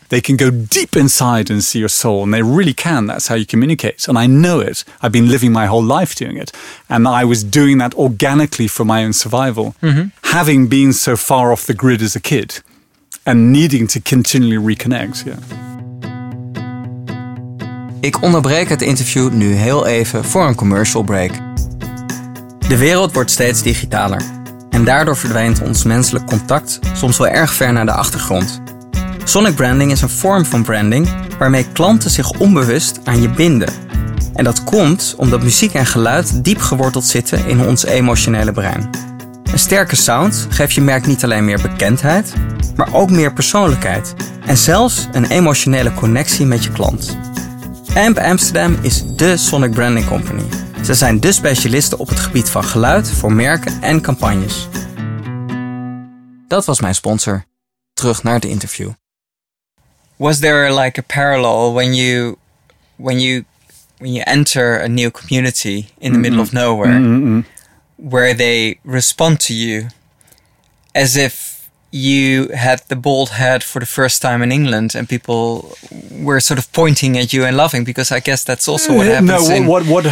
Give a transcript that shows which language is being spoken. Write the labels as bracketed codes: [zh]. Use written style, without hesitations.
[en] They can go deep inside and see your soul. And they really can. That's how you communicate. And I know it. I've been living my whole life doing it. And I was doing that organically for my own survival. Mm-hmm. Having been so far off the grid as a kid and needing to continually reconnect. Yeah. [nl] Ik onderbreek het interview nu heel even voor een commercial break. De wereld wordt steeds digitaler. En daardoor verdwijnt ons menselijk contact soms wel erg ver naar de achtergrond. Sonic branding is een vorm van branding waarmee klanten zich onbewust aan je binden. En dat komt omdat muziek en geluid diep geworteld zitten in ons emotionele brein. Een sterke sound geeft je merk niet alleen meer bekendheid, maar ook meer persoonlijkheid. En zelfs een emotionele connectie met je klant. AMP Amsterdam is dé Sonic Branding Company. Ze zijn dé specialisten op het gebied van geluid voor merken en campagnes. Dat was mijn sponsor. Terug naar het interview. [en] Was there like a parallel when you enter a new community in the middle of nowhere where they respond to you as if you had the bald head for the first time in England and people were sort of pointing at you and laughing, because I guess that's also what happens.